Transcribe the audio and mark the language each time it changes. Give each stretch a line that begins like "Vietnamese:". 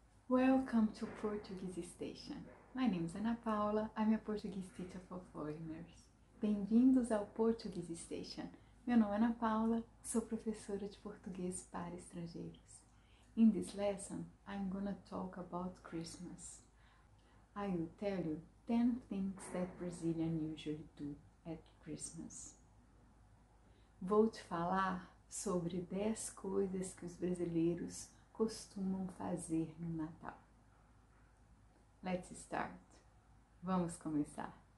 English: Welcome to Portuguese Station. My name is Ana Paula. I'm a Portuguese teacher for foreigners.
Portuguese: Bem-vindos ao Portuguese Station. Meu nome é Ana Paula, sou professora de português para estrangeiros.
English: In this lesson, I'm gonna talk about Christmas. I will tell you 10 things that Brazilians usually do at Christmas.
Portuguese: Vou te falar sobre 10 coisas que os brasileiros costumam fazer no Natal.
English: Let's start.
Portuguese: Vamos começar.